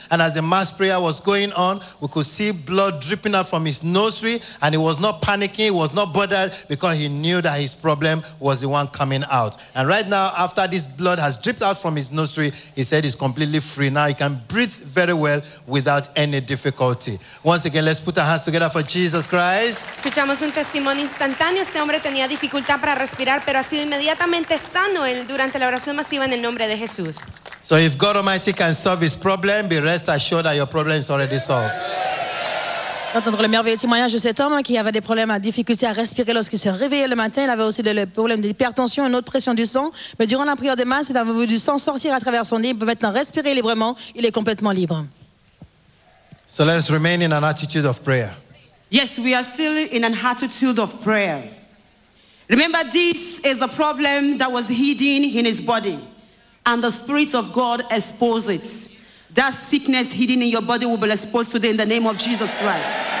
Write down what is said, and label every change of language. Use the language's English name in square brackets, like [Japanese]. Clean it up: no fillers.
[English] And as the mass prayer was going on, we could see blood dripping out from his nostril, and he was not panicking, he was not bothered, because he knew that his problem was the one coming out. And right now, after this blood has dripped out from his nostril, he said he's completely free. Now he can breathe very well without any difficulty. Once again, let's put our hands together for Jesus Christ. [Spanish] Escuchamos un testimonio instantáneo. Este hombre tenía dificultad para respirar, pero ha sido inmediatamente sano durante la oración masiva en el nombre de Jesús. [English] So if God Almighty can solve his problem, be rest assured that your problem is already solved. [French] Entendre le merveilleux témoignage de cet homme qui avait des problèmes, des difficultés à respirer lorsqu'il se réveillait le matin. Il avait aussi des problèmes d'hypertension, une haute pression du sang. Mais durant la prière des masses, il avait vu du sang sortir à travers son nez. Il peut maintenant respirer librement. Il est complètement libre. [English] So let's remain in an attitude of prayer. Yes, we are still in an attitude of prayer. Remember, this is the problem that was hidden in his body, and the Spirit of God exposed it. That sickness hidden in your body will be exposed today in the name of Jesus Christ.